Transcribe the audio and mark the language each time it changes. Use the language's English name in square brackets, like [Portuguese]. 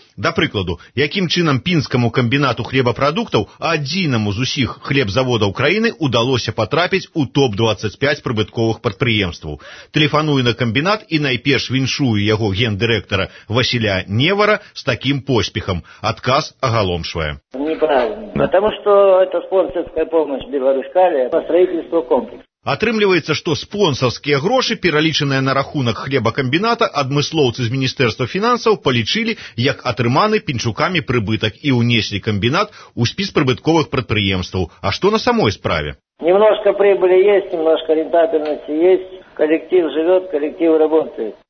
[Belarusian] Да прыкладу, якім чынам пінскаму камбінату хлебапрадуктаў, адзінаму з усіх хлебзаводаў краіны, удалося патрапіць у топ-25 прыбытковых прадпрыемстваў. Тэлефаную на камбінат і найперш віншую яго гендырэктара Васіля Невара з такім поспехам. Адказ агаломшвае. [Russian] Неправильно, потому что это спонсорская помощь Беларускалия по строительству комплекса. [Belarusian] Атрымліваецца, што спонсарскія грошы, пералічаныя на рахунак хлебакамбіната, адмыслоўцы з Міністэрства фінансаў палічылі, як атрыманы пінчукамі прыбытак і ўнеслі камбінат у спіс прыбытковых прадпрыемстваў. А што на самой справе? Немножко прибылі ёсць, немножко рентабельнасці ёсць, калектыў жывёт, калектыў работает.